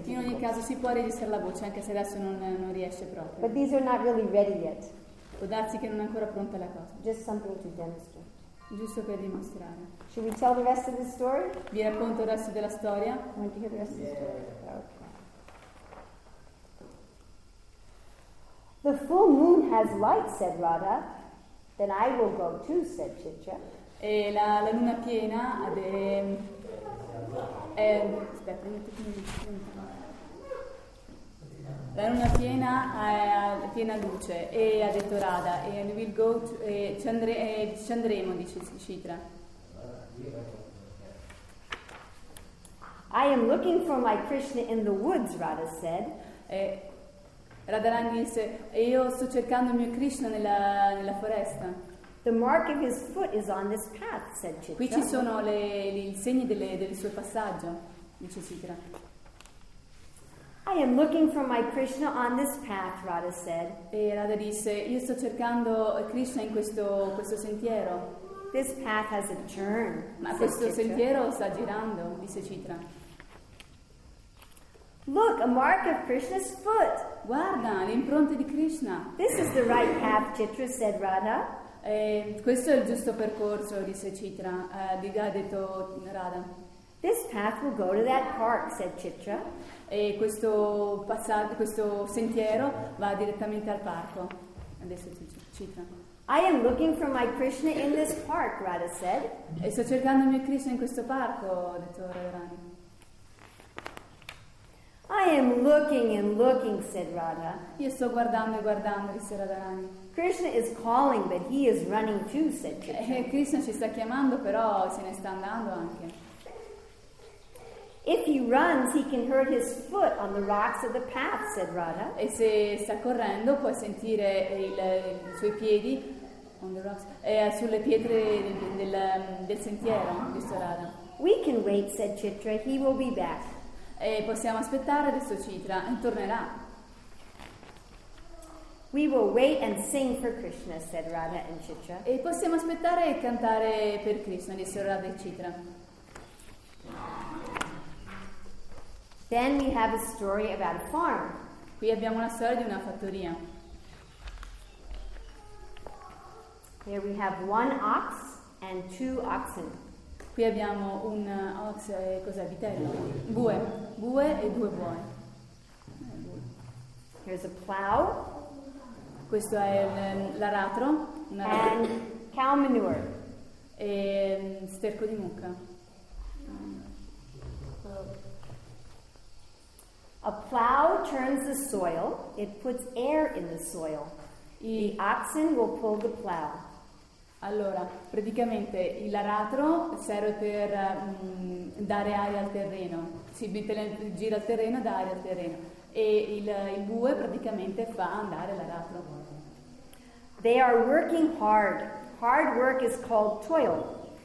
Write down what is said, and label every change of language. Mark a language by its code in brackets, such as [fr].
[it] In ogni caso si può registrare la voce, anche se adesso non riesce proprio. [en] But these are not really ready yet. [it] Può darsi che non è ancora pronta la cosa. [en] Just something to demonstrate. [it] Giusto per dimostrare. [en] Should we tell the rest of the story? [it] Vi racconto il resto della storia? [en] Want to hear the rest of the story? Okay. The full moon has light, said Radha. Then I will go too, said Chitra. [it] E la luna piena ad la luna piena è piena luce e ha detto Radha [en] and we'll go to, [it] ci andremo, dice Citra. [en] I am looking for my Krishna in the woods, Radha said. [it] Radharani disse e io sto cercando il mio Krishna nella foresta. [en] The mark of his foot is on this path, said Chitra. [it] Qui ci sono i segni del suo passaggio, dice Citra. [en] I am looking for my Krishna on this path, Radha said. [it] E Radha disse, io sto cercando Krishna in questo sentiero. [en] This path has a turn. [it] Ma questo sentiero sta girando, dice Citra. [en] Look, a mark of Krishna's foot. [it] Guarda, l'impronta di Krishna. [en] This is the right path, Chitra, said Radha. [it] Questo è il giusto percorso, disse Citra. Ha detto Radha. [en] This path will go to that park, said Chitra. [it] E questo sentiero va direttamente al parco. Adesso Citra. [en] I am looking for my Krishna in this park, Radha said. [it] E sto cercando mio Krishna in questo parco, ha detto Radharani. [en] I am looking and looking, said Radha. [it] Io sto guardando e guardando, disse Radharani. [en] Krishna is calling, but he is running too, said Chitra. [it] Krishna ci sta chiamando, però se ne sta andando anche. [en] If he runs, he can hurt his foot on the rocks of the path, said Radha. [it] E se sta correndo, può sentire i suoi piedi [en] on the rocks, [it] sulle pietre del sentiero, disse Radha. [en] We can wait, said Chitra. He will be back. [it] E possiamo aspettare adesso Chitra, tornerà. [en] We will wait and sing for Krishna, said Radha and Chitra. [it] E possiamo aspettare e cantare per Krishna, disse Radha e Chitra. [en] Then we have a story about a farm. [it] Qui abbiamo una storia di una fattoria. [en] Here we have one ox and two oxen. [it] Qui abbiamo un ox e cos'è, vitello? Bue. Bue e due buoi. [en] Here's a plow. [it] Questo è l'aratro, [en] and cow manure. [it] E sterco di mucca. [en] A plow turns the soil, it puts air in the soil. The oxen will pull the plow. [it] Allora, praticamente l'aratro serve per dare aria al terreno. Si gira il terreno e dà aria al terreno. E il bue praticamente fa andare l'aratro. [en] They are working hard. Hard work is called toil.